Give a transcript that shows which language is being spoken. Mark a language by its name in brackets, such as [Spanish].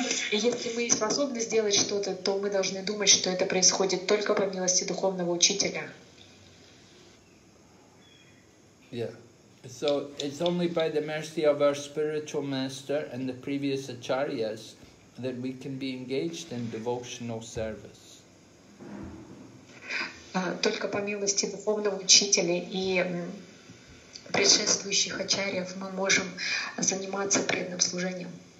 [Russian] Если мы способны сделать что-то, то мы должны думать, что это происходит только по милости духовного учителя. Yeah. [English] So it's only by the mercy of our spiritual master and the previous acharyas that we can be engaged in devotional service. [Russian] Только по милости духовного учителя и предшествующих ачарьев мы можем заниматься преданным служением.